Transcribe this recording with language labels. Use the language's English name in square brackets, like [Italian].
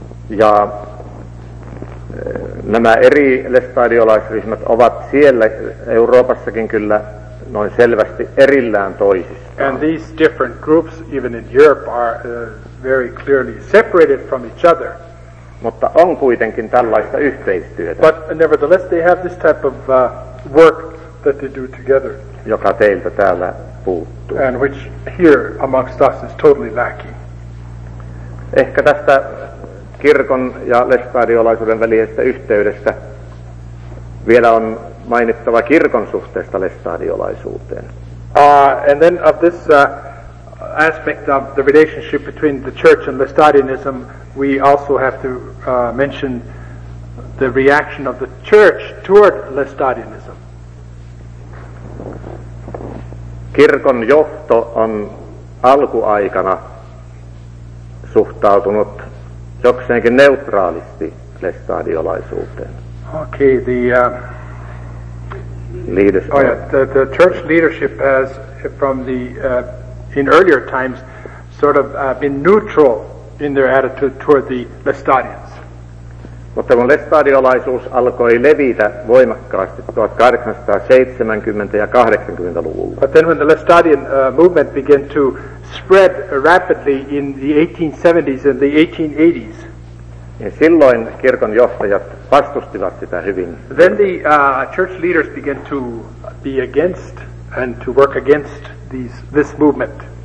[Finnish] Ja nämä eri lestadiolaisryhmät ovat siellä Euroopassakin kyllä noin selvästi erillään toisistaan. [English] And these different groups, even in Europe, are very clearly separated from each other. [Finnish] Mutta on kuitenkin tällaista yhteistyötä. [English] But nevertheless they have this type of work that they do together. [Finnish] Joka teiltä täällä puuttuu. [English] And which here amongst us is totally lacking. [Finnish] Ehkä tästä kirkon ja lestadiolaisuuden välisestä yhteydestä vielä on mainittava kirkon suhteesta lestadiolaisuuteen. [English] And then of this aspect of the relationship between the church and Lestadianism, we also have to mention the reaction of the church toward Lestadianism. [Finnish] Kirkon johto on alkuaikana suhtautunut jokseenkin neutraalisti lestadiolaisuuteen. [English] Okay, the leadership. Oh yeah, the church leadership has, from the in earlier times, sort of been neutral in their attitude toward the Lestadians. [Finnish] Mutta kun lestadiolaisuus alkoi levitä voimakkaasti 1870- ja 80-luvulla. [English] But then when the Lestadian movement began to spread rapidly in the 1870s and the 1880s, [Finnish] niin silloin kirkon johtajat vastustivat sitä hyvin. [English] Then the church leaders began to be against and to work against this movement.